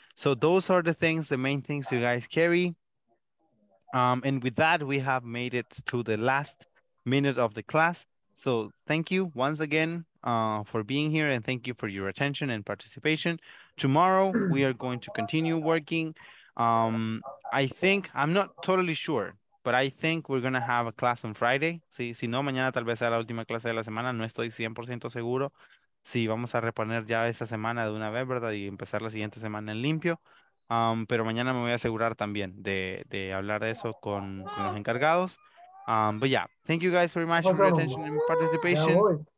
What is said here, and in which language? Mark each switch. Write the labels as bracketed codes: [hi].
[en] So those are the things, the main things you guys carry. And with that, we have made it to the last minute of the class. So thank you once again for being here, and thank you for your attention and participation. Tomorrow, we are going to continue working. I'm not totally sure, but I think we're going to have a class on Friday. [es] Si no, mañana tal vez sea la última clase de la semana. No estoy 100% seguro. Sí, vamos a reponer ya esta semana de una vez, ¿verdad? Y empezar la siguiente semana en limpio. Pero mañana me voy a asegurar también de hablar de eso con los encargados. [en] But yeah, thank you guys very much for your attention and participation.